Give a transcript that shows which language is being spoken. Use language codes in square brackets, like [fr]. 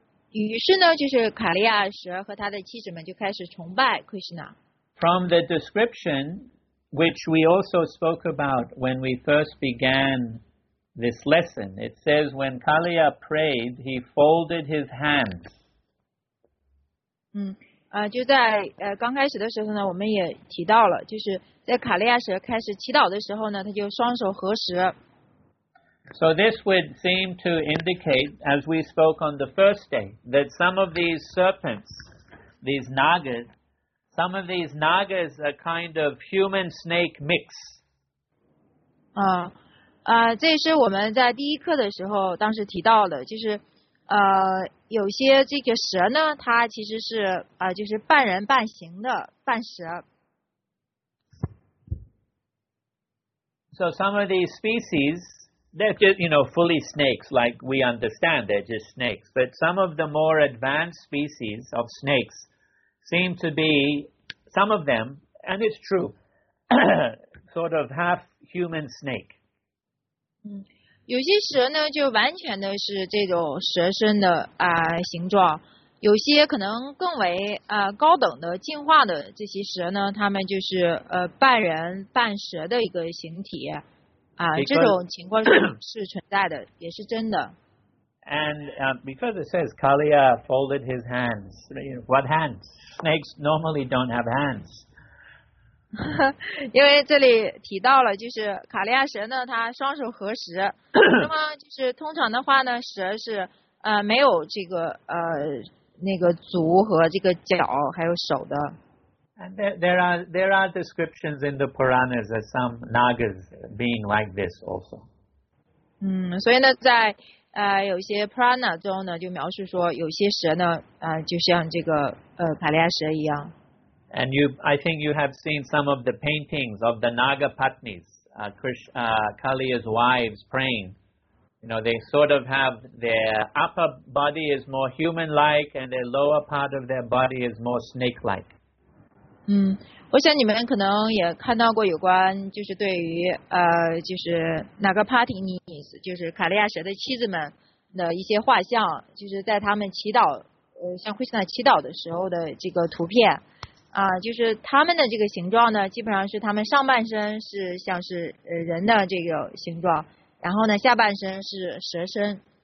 [zh] 于是呢，就是卡利亚什和他的妻子们就开始崇拜 Krishna。 [en] From the description, which we also spoke about when we first began this lesson, it says when Kaliya prayed, he folded his hands. [zh] 就在刚开始的时候呢，我们也提到了，就是在卡利亚什开始祈祷的时候呢，他就双手合十。 [en] So this would seem to indicate, as we spoke on the first day, that some of these serpents, these nagas,Some of these nagas are kind of human snake mix. [zh] 这是我们在第一课的时候当时提到的，就是有些这个蛇呢，它其实是就是半人半形的半蛇。 [en] So some of these species they're just, you know, fully snakes, like we understand they're just snakes. But some of the more advanced species of snakes seem to be, some of them, and it's true, sort of half-human snake. [zh] 有些蛇呢就完全的是这种蛇身的、形状，有些可能更为、高等的进化的这些蛇呢，它们就是、半人半蛇的一个形体、 [en] because、 [zh] 这种情况 是存在的，也是真的。 [en] And、because it says Kaliya folded his hands, what hands? Snakes normally don't have hands. [zh] 因为这里提到了就是卡利亚蛇呢它双手合十，那么就是通常的话呢蛇是、没有这个那个足和这个脚还有手的。 [en] And there are descriptions in the Puranas of some Nagas being like this also. [zh] 所以呢在、有些 Purana 中呢就描述说有些蛇呢、就像这个、卡利亚蛇一样。 [en] And you, I think you have seen some of the paintings of the Naga Patnis, Kaliya's wives praying. You know, they sort of have their upper body is more human-like and their lower part of their body is more snake-like. [zh] 我想你们可能也看到过有关就是对于、就是 Naga Patnis, 就是卡利亚蛇的妻子们的一些画像，就是在他们祈祷、像惠斯纳祈祷的时候的这个图片。就是他们的这个形状呢基本上是他们上半身是像是人的这个形状，然后呢下半身是蛇身。